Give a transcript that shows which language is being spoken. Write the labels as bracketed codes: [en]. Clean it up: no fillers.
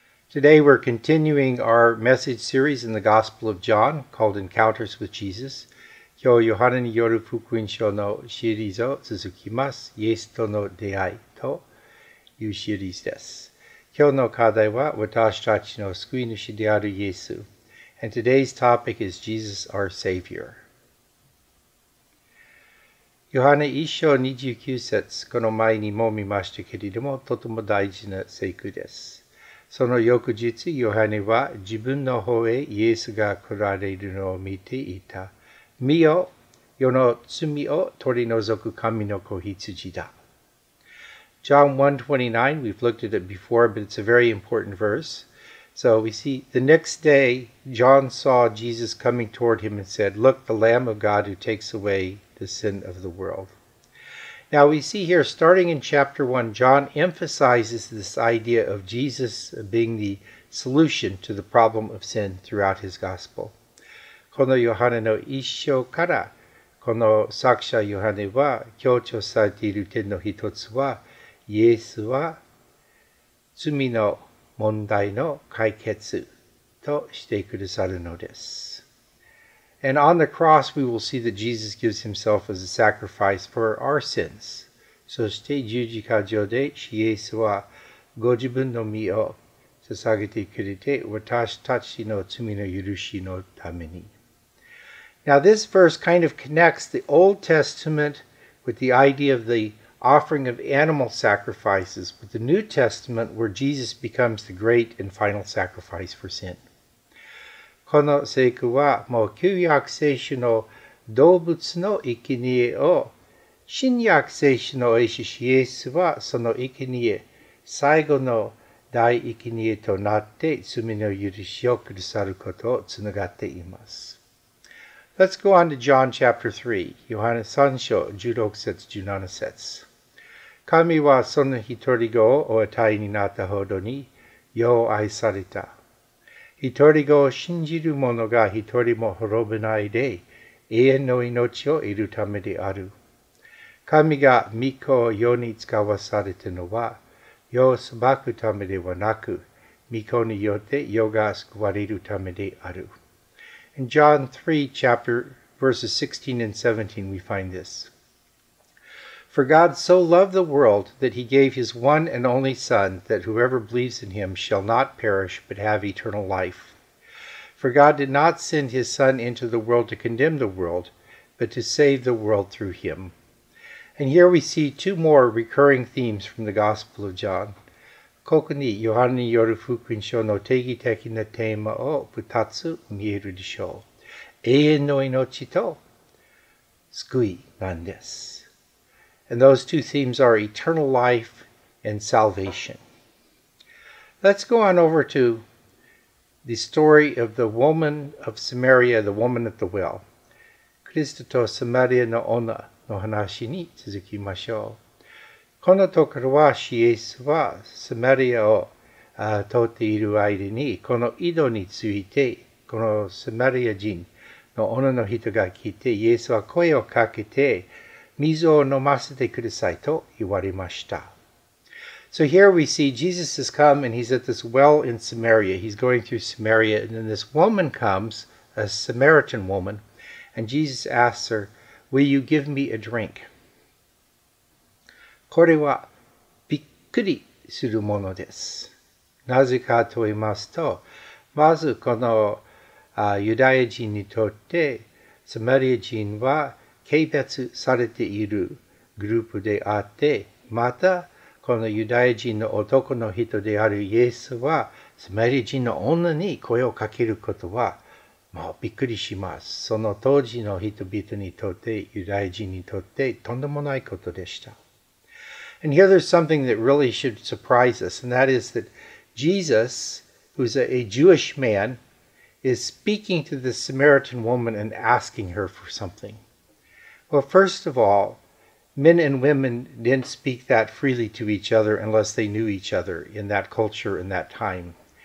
[en] Today we're continuing our message series in the Gospel of John called Encounters with Jesus. [ja] 今日ヨハネによる福音書のシリーズを続きます。イエスとの出会いというシリーズです。今日の課題は私たちの救い主であるイエス。 [en] And today's topic is Jesus our Savior. [ja] ヨハネ1章29節、この前にも見ましたけれども、とても大事な聖句です。その翌日、ヨハネは自分の方へイエスが来られるのを見ていた。見よ、世の罪を取り除く神の子羊だ。 [en] John 1:29, we've looked at it before, but it's a very important verse. So we see, the next day, John saw Jesus coming toward him and said, Look, the Lamb of God who takes away the sin of the world. Now we see here, starting in chapter 1, John emphasizes this idea of Jesus being the solution to the problem of sin throughout his gospel. [ja] このヨハネの一章から、この作者ヨハネは強調されている点の一つは、イエスは罪の問題の解決としてくださるのです。 [en] And on the cross, we will see that Jesus gives himself as a sacrifice for our sins. [ja] そして十字架上で、イエスはご自分の身を捧げてくれて、私たちの罪の許しのために。 [en] Now this verse kind of connects the Old Testament with the idea of the offering of animal sacrifices with the New Testament where Jesus becomes the great and final sacrifice for sin. [ja] この聖句はもう旧約聖書の動物の生贄を新約聖書のイエスはその生贄最後の大生贄となって罪の許しをくださることをつながっています。 [en] Let's go on to John chapter 3, [ja] Yohana 3章16節17節。神はその一人子をお与えになったほどによう愛された。一人子を信じる者が一人も滅びないで永遠の命を得るためである。神が御子を世に使わされたのは世を裁くためではなく御子によって世が救われるためである。 [en] In John 3, chapter, verses 16 and 17, we find this. For God so loved the world that he gave his one and only Son, that whoever believes in him shall not perish, but have eternal life. For God did not send his Son into the world to condemn the world, but to save the world through him. And here we see two more recurring themes from the Gospel of John. [ja] ここにヨハネによる福音書の定義的なテーマを2つ見えるでしょう。永遠の命と救いなんです。 [en] And those two themes are eternal life and salvation. Let's go on over to the story of the woman of Samaria, the woman at the well. [ja] クリストとサマリアの女の話に続きましょう。このところは、イエスはサマリアを通っている間に、この井戸について、このサマリア人の女の人が聞いて、イエスは声をかけて、水を飲ませてくださいと言われました。 [en] So here we see Jesus has come and he's at this well in Samaria. He's going through Samaria and then this woman comes, a Samaritan woman, and Jesus asks her, Will you give me a drink? [ja] これはびっくりするものです。なぜかと言いますと、まずこのユダヤ人にとって、サマリア人は軽蔑されているグループであって、またこのユダヤ人の男の人であるイエスは、サマリア人の女に声をかけることは、もうびっくりします。その当時の人々にとって、ユダヤ人にとってとんでもないことでした。 [en] And here there's something that really should surprise us, and that is that Jesus, who's a Jewish man, is speaking to the Samaritan woman and asking her for something. Well, first of all, men and women didn't speak that freely to each other unless they knew each other in that culture in that time.